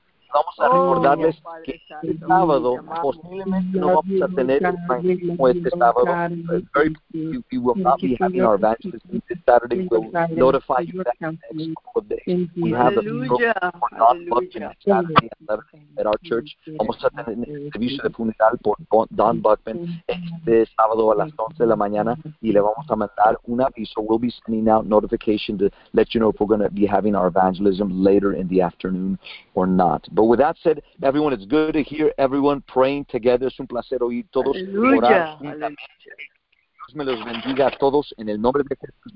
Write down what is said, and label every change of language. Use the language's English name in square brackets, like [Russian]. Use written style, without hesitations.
[Spanish] Vamos a recordarles que el sábado posiblemente no vamos a tener como este sábado. [English] We will not be having our evangelism this Saturday. We'll notify you that next couple of days. We have a group for Don Buckman on Saturday at 11 at our church. [Spanish] Vamos a tener el servicio de funeral por Don Buckman este sábado a las 11 de la mañana y le vamos a mandar un aviso. [English] We'll be sending out notification to let you know if we're going to be having our evangelism later in the afternoon or not. But with that said, everyone, it's good to hear everyone praying together. [Spanish] Es un placer oír todos orar. Dios me los bendiga a todos en el nombre de Jesús.